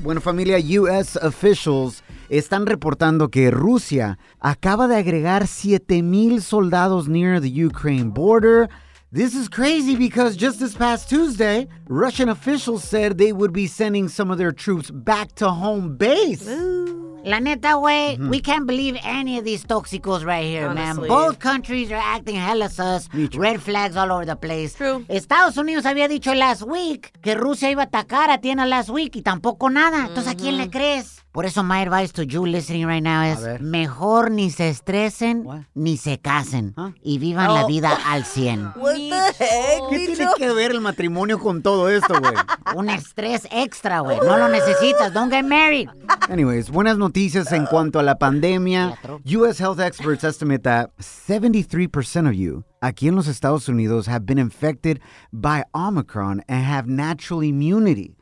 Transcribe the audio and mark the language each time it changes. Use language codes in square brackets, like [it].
[es] Bueno, familia, [en] U.S. officials [es] están reportando que Rusia acaba de agregar 7,000 soldados [en] near the Ukraine border. This is crazy because just this past Tuesday, Russian officials said they would be sending some of their troops back to home base. Ooh. [es] La neta, güey, mm-hmm. [en] we can't believe any of these toxicos right here, honestly. Man. Both countries are acting hella sus. Red flags all over the place. True. [es] Estados Unidos había dicho [en] last week [es] que Rusia iba a atacar a Tiena last week y tampoco nada. Mm-hmm. Entonces, ¿a quién le crees? Por eso, [en] my advice to you listening right now is [es] mejor ni se estresen, [en] what? [es] Ni se casen. Huh? Y vivan la vida al 100. [en] What the heck? [es] ¿Qué tiene que ver el matrimonio con todo esto, güey? Un estrés extra, güey. No lo necesitas. [en] Don't get married. [es] Anyways, buenas noticias en cuanto a la pandemia. [en] U.S. health experts estimate that 73% of you [es] aquí en los Estados Unidos [en] have been infected by Omicron and have natural immunity.